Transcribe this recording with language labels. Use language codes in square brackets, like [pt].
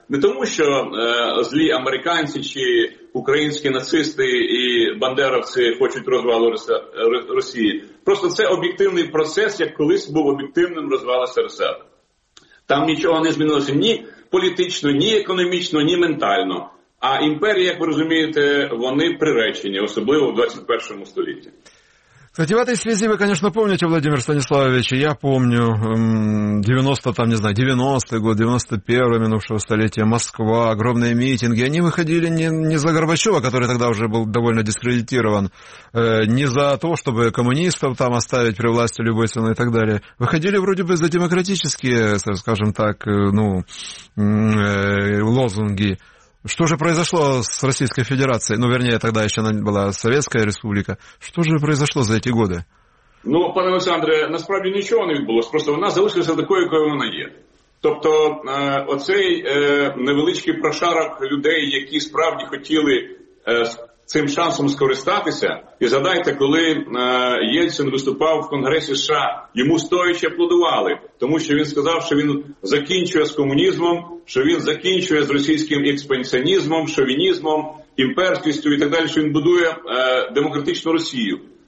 [uk] Не тому, що злі американці чи українські нацисти і бандеровці хочуть розвалу Росії. Просто це об'єктивний процес, як колись був об'єктивним розвал СРСР. Там нічого не змінилося ні політично, ні економічно, ні ментально. А імперії, як ви розумієте, вони приречені, особливо в 21 столітті. [ru] Кстати, в этой связи вы, конечно, помните, Владимир Станиславович, я помню, 90-й год, 91-й минувшего столетия, Москва, огромные митинги, они выходили не за Горбачева, который тогда уже был довольно дискредитирован, не за то, чтобы коммунистов там оставить при власти любой ценой и так далее, выходили вроде бы за демократические, скажем так, лозунги. Что же произошло с Российской Федерацией? Ну, вернее, тогда еще она была Советская Республика. Что же произошло за эти годы? [uk] Ну, пане Олександре, насправді нічого не відбулося. Просто вона залишилася такою, якою вона є. Тобто, оцей невеличкий прошарок людей, які справді хотіли цим шансом скористатися. І згадайте, коли Єльцин виступав в Конгресі США, йому стоячи аплодували, тому що він сказав, що він закінчує з комунізмом, що він закінчує з російським експансіонізмом, шовінізмом, імперськістю і так далі, що він будує демократичну Росію.